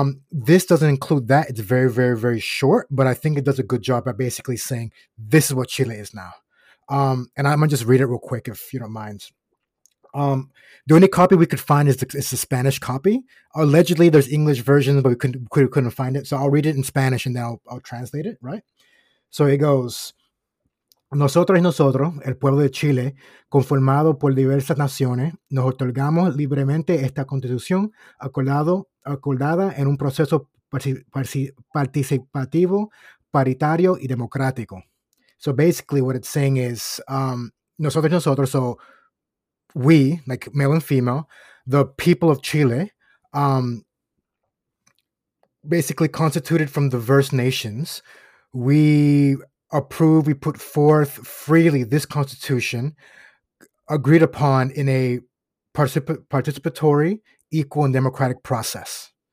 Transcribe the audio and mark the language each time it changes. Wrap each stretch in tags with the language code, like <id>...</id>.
<en>This doesn't include that. It's very, very, very short, but I think it does a good job at basically saying this is what Chile is now. And I'm going to just read it real quick if you don't mind. The only copy we could find is the Spanish copy. Allegedly, there's English versions, but we couldn't find it. So I'll read it in Spanish and then I'll translate it, right? So it goes,</en> <es>nosotros y nosotros, el pueblo de Chile, conformado por diversas naciones, nos otorgamos libremente esta constitución acordada en un proceso participativo, paritario y democrático.</es> <en>So basically what it's saying is,</en> <es>nosotros y nosotros,</es> <en>so we, like male and female, the people of Chile, basically constituted from diverse nations, we approve, we put forth freely this constitution agreed upon in a participatory, equal, and democratic process.</en>